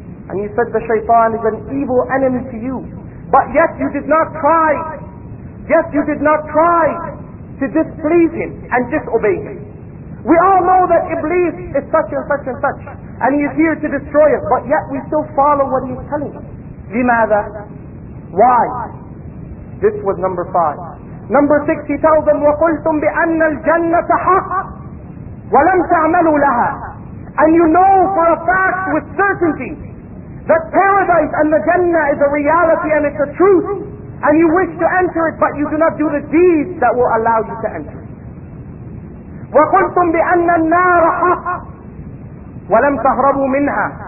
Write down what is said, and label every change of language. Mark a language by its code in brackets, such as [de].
[en] And you said the shaytan is an evil enemy to you, but yet you did not try, yet you did not try to displease him and disobey him. We all know that Iblis is such and such and such, and he is here to destroy us, but yet we still follow what he is telling us. [ar] لماذا? [en] Why? This was number five. Number six, he tells them, [ar] وَقُلْتُم بِأَنَّ الْجَنَّةَ حَقٌّ وَلَمْ تَعْمَلُوا لَهَا. [en] And you know for a fact with certainty that paradise and the Jannah is a reality and it's a truth, and you wish to enter it, but you do not do the deeds that will allow you to enter it. [ar] وَقُلْتُم بِأَنَّ النَّارَ حَقٌّ وَلَمْ تَهْرَبُوا مِنْهَا.